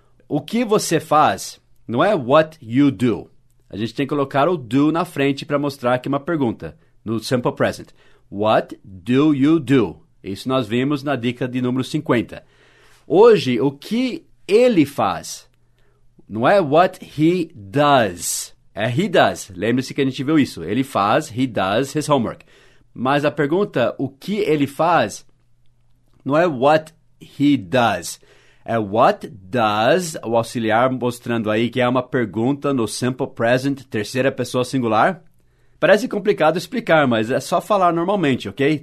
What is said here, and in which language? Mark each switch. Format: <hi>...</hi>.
<pt>O que você faz não é what you do. A gente tem que colocar o do na frente para mostrar que é uma pergunta, no simple present. What do you do? Isso nós vimos na dica de número 50. Hoje, o que ele faz não é what he does. É he does. Lembre-se que a gente viu isso.</pt> <en>Ele faz, he does his homework.</en> <pt>Mas a pergunta, o que ele faz, não é what he does. É what does, o auxiliar mostrando aí que é uma pergunta no simple present, terceira pessoa singular. Parece complicado explicar, mas é só falar normalmente, ok?</pt>